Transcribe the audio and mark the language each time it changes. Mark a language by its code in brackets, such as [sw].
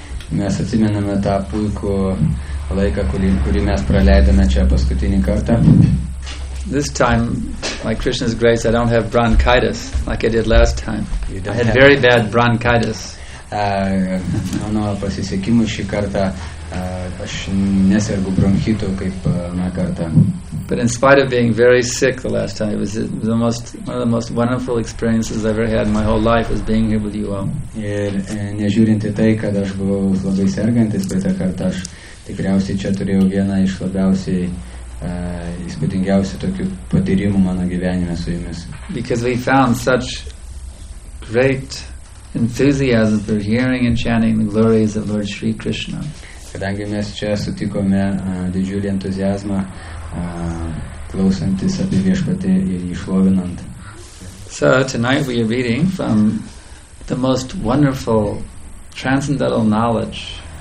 [lt] Mes atsimename tą puikų laiką, kurį mes praleidome čia paskutinį kartą. [en] This time, by Krishna's grace, I don't have bronchitis like I did last time. I had very bad bronchitis. [lt] Mano pasisekimu šį kartą aš nesergu bronchitu kaip na kartą. [en] But in spite of being very sick the last time, it was the most one of the most wonderful experiences I've ever had in my whole life was being here with you all. [lt] Ir nežiūrint į tai, kad aš buvau labai sergantis, bet tą kartą aš tikriausiai čia turėjau vieną iš labiausiai įspūdingiausių tokių patyrimų mano gyvenime su jumis. [en] Because we found such great enthusiasm for hearing and chanting the glories of Lord Sri Krishna. [lt] Kadangi mes čia sutikome didžiulį entuziazmą klausantis apie viešpatį ir išlovinant. [en] So tonight we are reading from the most wonderful transcendental knowledge.